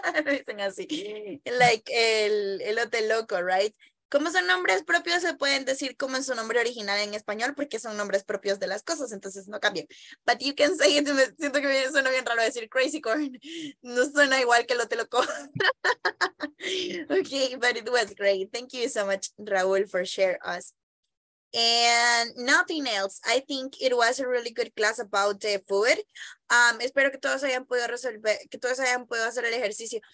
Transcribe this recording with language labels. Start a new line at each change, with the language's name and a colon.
Spanish: Lo dicen así. Like el elote loco, right? Como son nombres propios, se pueden decir como en su nombre original en español, porque son nombres propios de las cosas, entonces no cambian.
English: But you can say it.
Spanish: Siento que suena bien raro decir crazy corn. No suena igual que elote loco.
English: Okay, but it was great. Thank you so much, Raúl, for share us. And nothing else. I think it was a really good class about the food.
Spanish: Espero que todos hayan podido resolver, que todos hayan podido hacer el ejercicio.